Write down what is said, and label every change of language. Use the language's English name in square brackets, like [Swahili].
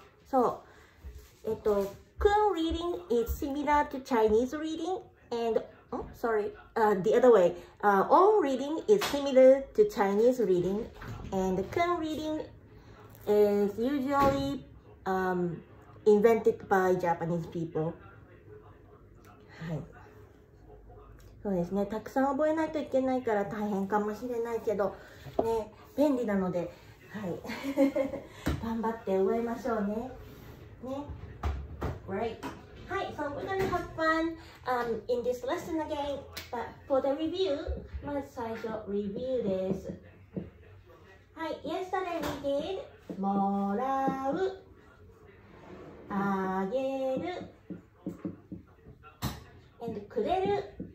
[English] So,訓 reading is similar to Chinese readingAnd, the other way. All reading is similar to Chinese reading. And Kun reading is usually invented by Japanese people. [Japanese] はい。そうですね。たくさん覚えないといけないから大変かもしれないけど、ね、便利なので、はい。頑張って覚えましょうね。ね。 [English] Right. Hi, so we're gonna have fun in this lesson again. But for the review, [Japanese] まず最初 [English] review [Japanese] です。はい、 [English] yesterday we did もらう、あげる、and くれる。